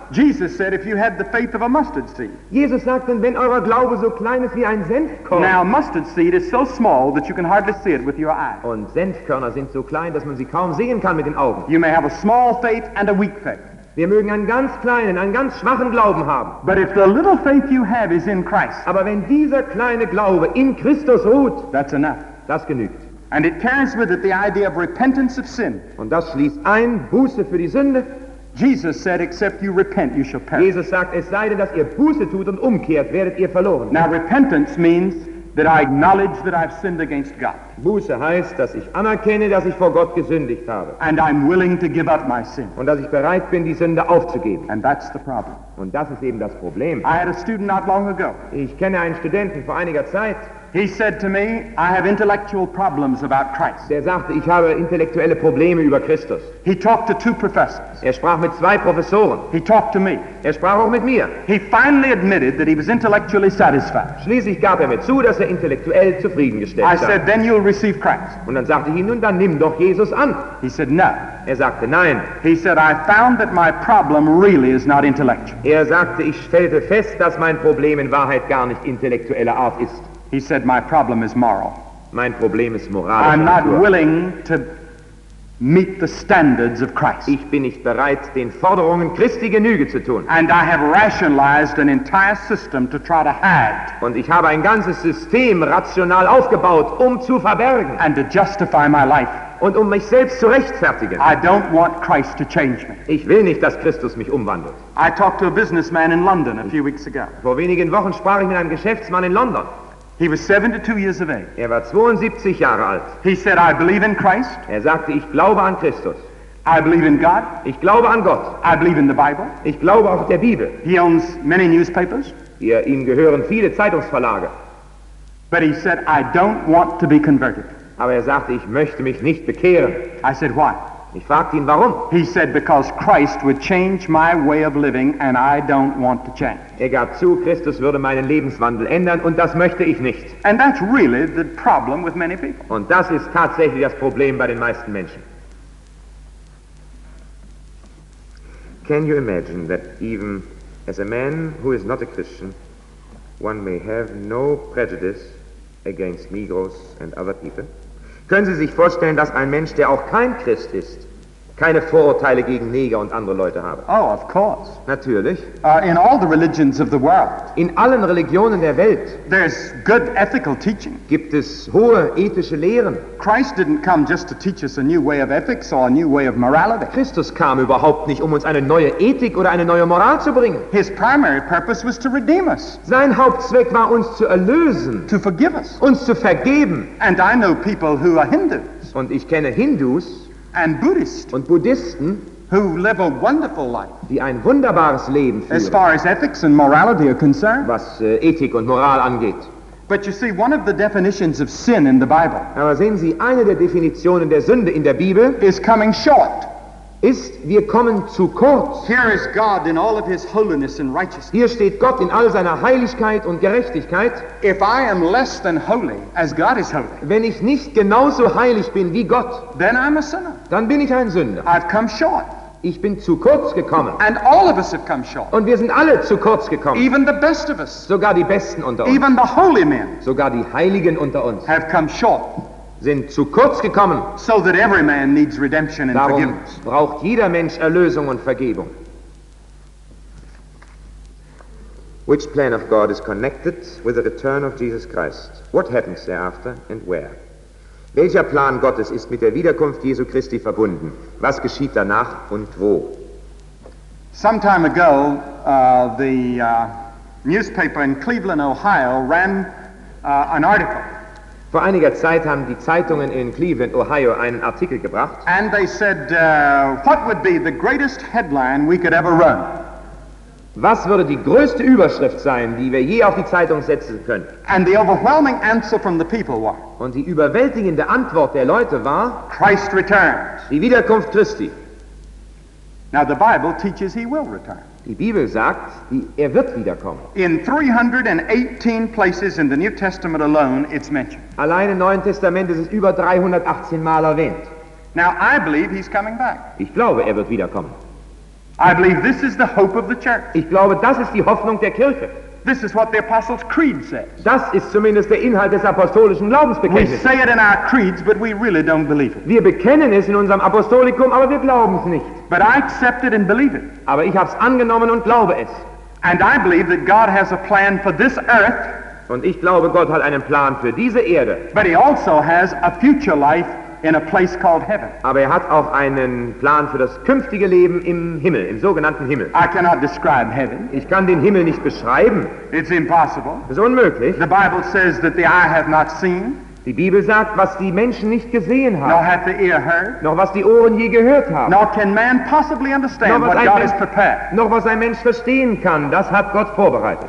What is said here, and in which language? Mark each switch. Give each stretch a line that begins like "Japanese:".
English: Jesus said, if you had the faith of a mustard seed.
German: Jesus sagt, wenn euer Glaube so klein ist wie ein Senfkorn.
English: Now a mustard seed is so small that you can hardly see it with your eye.
German: Und Senfkörner sind so klein, dass man sie kaum sehen kann mit den Augen.
English: You may have a small faith and a weak faith.
German: Wir mögen einen ganz kleinen, einen ganz schwachen Glauben haben.
English: But if the little faith you have is in Christ,
German: aber wenn dieser kleine Glaube in Christus ruht,
English: that's enough.
German: Das genügt.
English: And it carries with it the idea of repentance of sin.
German: Und das schließt ein, Buße für die Sünde.
English: Jesus said, except you repent, you shall perish.
German: Jesus sagt, es sei denn, dass ihr Buße tut und umkehrt, werdet ihr verloren.
English: Now repentance means that I acknowledge that I've sinned against God.
German: Buße heißt, dass ich anerkenne, dass ich vor Gott gesündigt habe.
English: And I'm willing to give up my sin.
German: Und dass ich bereit bin, die Sünde aufzugeben.
English: And that's the problem.
German: Und das ist eben das Problem.
English: I had a student not long ago.
German: Ich kenne einen Studenten vor einiger Zeit.
English: He said to me, I have intellectual problems about Christ.
German: Der sagte, ich habe intellektuelle Probleme über Christus.
English: He talked to two professors.
German: Er sprach mit zwei Professoren.
English: He talked to me.
German: Er sprach auch mit mir.
English: He finally admitted that he was intellectually satisfied.
German: Schließlich gab mir zu, dass intellektuell zufriedengestellt
English: I said, then you'll receive Christ.
German: Und dann sagte ich ihm, nun dann nimm doch Jesus an.
English: He said, no.
German: Er sagte, nein.
English: He said, I found that my problem really is not intellectual.
German: Er sagte, ich stellte fest, dass mein Problem in Wahrheit gar nicht intellektueller Art ist.
English: He said, my problem is moral.
German: Mein Problem ist moralisch.
English: I'm not willing to meet the standards of Christ.
German: Ich bin nicht bereit, den Forderungen Christi Genüge zu tun.
English: And I have rationalized an entire system to try to hide.
German: Und ich habe ein ganzes System rational aufgebaut, zu verbergen.
English: And to justify my life.
German: Und mich selbst zu rechtfertigen.
English: I don't want Christ to change me.
German: Ich will nicht, dass Christus mich umwandelt.
English: I talked to a businessman in London a few weeks ago.
German: Vor wenigen Wochen sprach ich mit einem Geschäftsmann in London.
English: He was 72 years of age.
German: Er war 72 Jahre alt.
English: He said, I believe in Christ.
German: Er sagte, ich glaube an Christus.
English: I believe in God.
German: Ich glaube an Gott.
English: I believe in the Bible.
German: Ich glaube auch der Bibel.
English: He owns many newspapers.
German: Ihm gehören viele Zeitungsverlage.
English: But he said, I don't want to be converted.
German: Aber er sagte, ich möchte mich nicht bekehren.
English: I said, why?
German: Ich fragte ihn, warum?
English: He said, because Christ would change my way of living and I don't want to change.
German: Er gab zu, Christus würde meinen Lebenswandel ändern und das möchte ich nicht.
English: And that's really the problem with many people.
German: Und das ist tatsächlich das Problem bei den meisten Menschen.
English: Can you imagine that even as a man who is not a Christian, one may have no prejudice against Negroes and other people?
German: Können Sie sich vorstellen, dass ein Mensch, der auch kein Christ ist, keine Vorurteile gegen Neger und andere Leute habe?
English: Oh, of course.
German: Natürlich.
English: In all the religions of the world.
German: In allen Religionen der Welt.
English: There's good ethical teaching.
German: Gibt es hohe ethische Lehren?
English: Christ didn't come just to teach us a new way of ethics or a new way of morality.
German: Christus kam überhaupt nicht, uns eine neue Ethik oder eine neue Moral zu bringen.
English: His primary purpose was to redeem us.
German: Sein Hauptzweck war, uns zu erlösen.
English: To forgive us.
German: Uns zu vergeben.
English: And I know people who are Hindus.
German: Und ich kenne Hindus.
English: And Buddhists,
German: und Buddhisten,
English: who live a wonderful life,
German: die ein wunderbares Leben führen,
English: as far as ethics and morality are concerned,
German: was Ethik und Moral angeht.
English: But you see, one of the definitions of sin in the Bible,
German: aber sehen Sie, eine der Definitionen der Sünde in der Bibel,
English: is coming short.
German: Ist, wir kommen zu kurz.
English: Here is God in all of his holiness and righteousness.
German: Hier steht Gott in all seiner Heiligkeit und Gerechtigkeit.
English: If I am less than holy, as God is holy,
German: wenn ich nicht genauso heilig bin wie Gott,
English: then I'm a sinner.
German: Dann bin ich ein Sünder.
English: I've come short.
German: Ich bin zu kurz gekommen.
English: And all of us have come short.
German: Und wir sind alle zu kurz gekommen.
English: Even the best of us,
German: sogar die Besten unter uns.
English: Even the holy men,
German: sogar die Heiligen unter uns.
English: Have come short.
German: Sind zu kurz gekommen.
English: So that every man needs redemption and
German: darum
English: forgiveness.
German: Braucht jeder Mensch Erlösung und Vergebung.
English: Which plan of God is connected with the return of Jesus Christ? What happens thereafter and where?
German: Welcher Plan Gottes ist mit der Wiederkunft Jesu Christi verbunden? Was geschieht danach und wo?
English: Some time ago, the newspaper in Cleveland, Ohio, ran an article.
German: Vor einiger Zeit haben die Zeitungen in Cleveland, Ohio, einen Artikel gebracht.
English: And they said, what would be the greatest headline we could ever run?
German: Was würde die größte Überschrift sein, die wir je auf die Zeitung setzen können?
English: And the overwhelming answer from the people was,
German: und die überwältigende Antwort der Leute war,
English: Christ returns.
German: Die Wiederkunft Christi.
English: Now the Bible teaches he will return.
German: Die Bibel sagt, er wird wiederkommen.
English: In 318 places in the New Testament alone, it's mentioned.
German: Allein im Neuen Testament ist es über 318 Mal erwähnt.
English: Now I believe he's coming back.
German: Ich glaube, er wird wiederkommen.
English: I believe this is the hope of the church.
German: Ich glaube, das ist die Hoffnung der Kirche.
English: This is what the Apostles' Creed says.
German: Das ist zumindest der Inhalt des apostolischen Glaubensbekenntnisses.
English: We say it in our creeds, but we really don't believe it.
German: Wir bekennen es in unserem Apostolikum, aber wir glauben es nicht.
English: But I accept it and believe it.
German: Aber ich habe es angenommen und glaube es.
English: And I believe that God has a plan for this earth.
German: Und ich glaube, Gott hat einen Plan für diese Erde.
English: But he also has a future life in a place called heaven.
German: Aber hat auch einen Plan für das künftige Leben im Himmel, im sogenannten Himmel.
English: I cannot describe heaven.
German: Ich kann den Himmel nicht beschreiben.
English: It's impossible.
German: Es ist unmöglich.
English: The Bible says that the eye hath not seen.
German: Die Bibel sagt, was die Menschen nicht gesehen haben.
English: Nor hath the ear heard.
German: Noch was die Ohren je gehört haben.
English: Nor can man possibly understand what God has prepared.
German: Noch was ein Mensch verstehen kann, das hat Gott vorbereitet.